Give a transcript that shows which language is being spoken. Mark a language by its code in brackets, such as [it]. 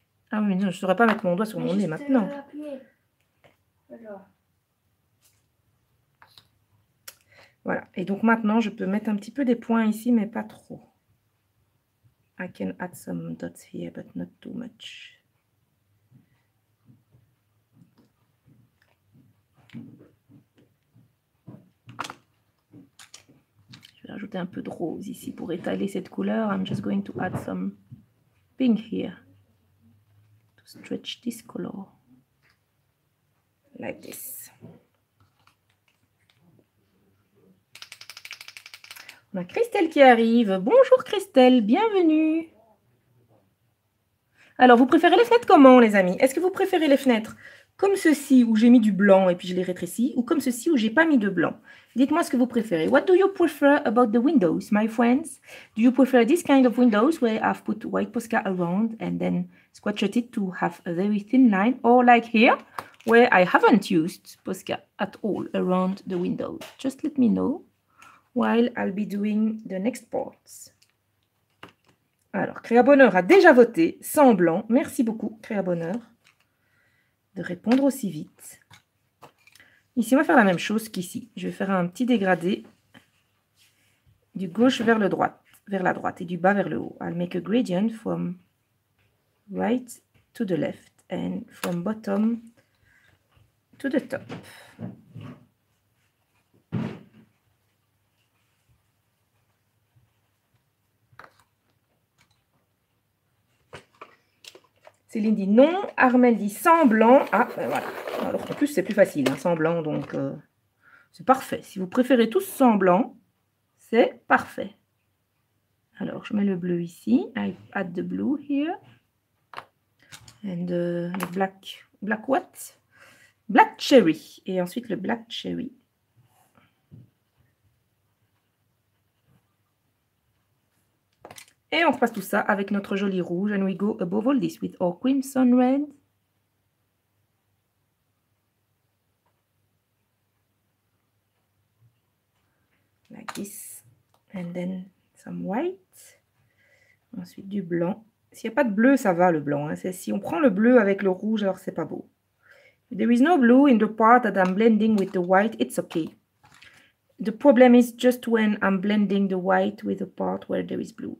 [fr] Ah oui, non, je ne saurais pas mettre mon doigt sur mon nez maintenant. Voilà, et donc maintenant, je peux mettre un petit peu des points ici, mais pas trop. [en] I can add some dots here, but not too much. [fr] Je vais rajouter un peu de rose ici pour étaler cette couleur. [en] I'm just going to add some pink here. Stretch this color like this. [fr] On a Christelle qui arrive. Bonjour Christelle, bienvenue. Alors, vous préférez les fenêtres comment, les amis? Est-ce que vous préférez les fenêtres comme ceci où j'ai mis du blanc et puis je les rétrécis, ou comme ceci où j'ai pas mis de blanc? Dites-moi ce que vous préférez. [en] What do you prefer about the windows, my friends? Do you prefer this kind of windows where I've put white Posca around and then squashed it to have a very thin line, or like here where I haven't used Posca at all around the window? Just let me know while I'll be doing the next parts. [fr] Alors, Créa Bonheur a déjà voté sans blanc. Merci beaucoup, Créa Bonheur, de répondre aussi vite. Ici, on va faire la même chose qu'ici. Je vais faire un petit dégradé du gauche vers le droit, vers la droite, et du bas vers le haut. [en] I'll make a gradient from right to the left and from bottom to the top. [fr] Céline dit non, Armel dit sans blanc. Ah, ben voilà. Alors, en plus, c'est plus facile, hein, sans blanc, donc c'est parfait. Si vous préférez tous sans blanc, c'est parfait. Alors, je mets le bleu ici. [en] I add the blue here. And the black. Black what? Black cherry. [fr] Et ensuite, le black cherry. Et on repasse tout ça avec notre joli rouge. [en] And we go above all this with our crimson red. Like this. And then some white. [fr] Ensuite du blanc. S'il n'y a pas de bleu, ça va le blanc. Hein. C'est si on prend le bleu avec le rouge, alors c'est pas beau. [en] If there is no blue in the part that I'm blending with the white, it's okay. The problem is just when I'm blending the white with the part where there is blue.